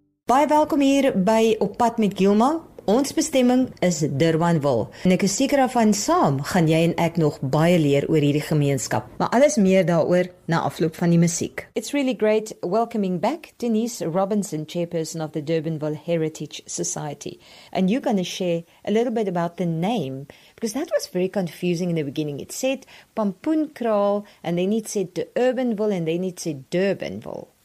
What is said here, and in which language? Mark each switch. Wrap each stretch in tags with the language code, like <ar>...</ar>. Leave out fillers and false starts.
<af>Baie welkom hier by Op Pad met Gilma. Ons bestemming is Durbanville. En ek is seker daarvan saam gaan jy en ek nog baie leer oor hierdie gemeenskap. Maar alles meer daaroor na afloop van die musiek.</af> <en>It's really great welcoming back Denise Robinson, chairperson of the Durbanville Heritage Society. And you're going to share a little bit about the name, because that was very confusing in the beginning. It said Pampoenkraal and then it said Durbanville and then it said Durbanville.</en>